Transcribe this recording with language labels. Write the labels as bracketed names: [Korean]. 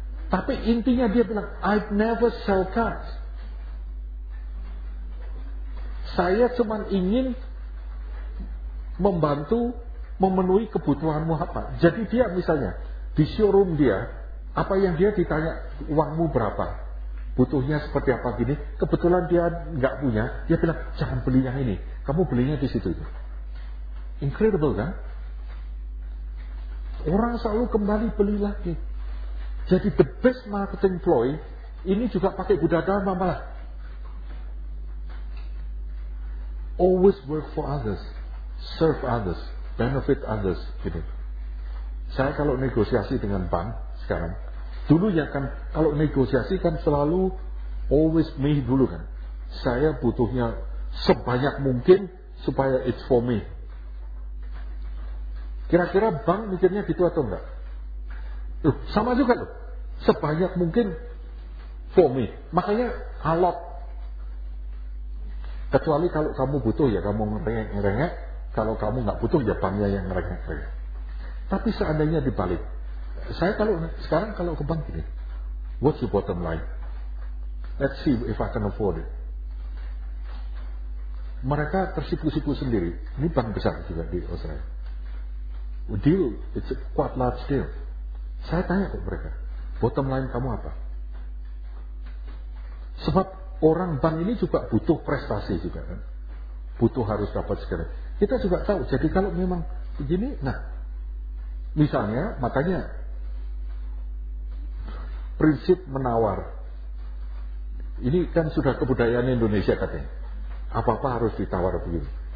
[Indonesian] Tapi intinya dia bilang, [English] I've never sell cars. [Indonesian] Saya cuma ingin membantu memenuhi kebutuhanmu apa. Jadi dia misalnya di showroom dia, apa yang dia ditanya, uangmu berapa, butuhnya seperti apa gini. Kebetulan dia nggak punya, dia bilang jangan beli yang ini, kamu belinya di situ itu. Incredible kan? Orang selalu kembali beli lagi. Jadi [English] the best marketing ploy [Indonesian] ini juga pakai budaya Dharma malah. [English] Always work for others, serve others, benefit others. [Indonesian] Gitu. Saya kalau negosiasi dengan bank sekarang, dulu ya kan, kalau negosiasi kan selalu always me dulu kan. Saya butuhnya sebanyak mungkin supaya [English] it's for me. [Indonesian] Kira-kira bank mikirnya gitu atau enggak? Sama juga loh. Sebanyak mungkin [English] for me. Makanya a lot. [Indonesian] Kecuali kalau kamu butuh ya kamu ngerengek-ngerengek. Kalau kamu enggak butuh ya banknya yang ngerengek-ngerengek. Tapi seandainya dibalik. Saya kalau sekarang kalau ke bank ini, [English] what's the bottom line? Let's see if I can afford it. [Indonesian] Mereka tersipu-sipu sendiri. Ini bank besar juga di Australia. [English] Deal, it's a quite large deal. [Indonesian] Saya tanya ke mereka, bottom line kamu apa? Sebab orang bank ini juga butuh prestasi juga kan, butuh harus dapat segera. Kita juga tahu, jadi kalau memang begini, nah, misalnya, makanya prinsip menawar ini kan sudah kebudayaan Indonesia katanya, apa-apa harus ditawar begini.